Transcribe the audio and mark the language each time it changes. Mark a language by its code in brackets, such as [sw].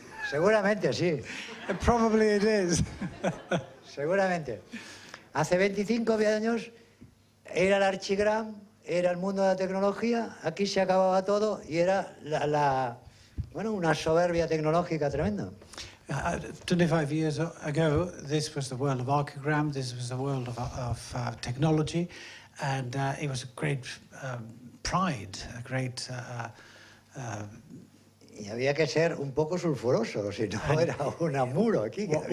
[es] Seguramente, sí. [en] Probably it is. [es] Seguramente. Hace 25 años era el archigram, era el mundo de la tecnología, aquí se acababa todo y era una soberbia tecnológica tremenda. [en] 25 years ago, this was the world of archigram, this was the world of technology, and it was a great pride, a great... [es] Y había que ser un poco sulfuroso, si no era un muro aquí.